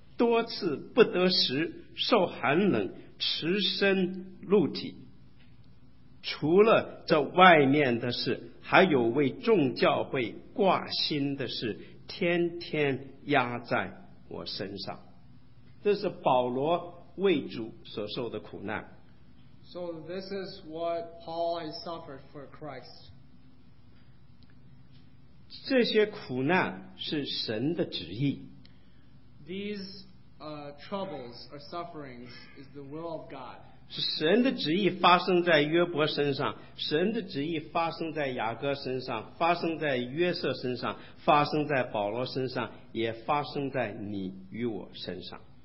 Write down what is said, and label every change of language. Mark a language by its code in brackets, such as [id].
[zh] 多次不得食，受寒冷，持身露体。除了这外面的事，还有为众教会挂心的事，天天压在我身上。这是保罗为主所受的苦难。 [en] So this is what Paul has suffered for Christ. [zh] 这些苦难是神的旨意。 [en] These troubles or sufferings is the will of God. [zh] 是神的旨意发生在约伯身上，神的旨意发生在雅各身上，发生在约瑟身上，发生在保罗身上，也发生在你与我身上。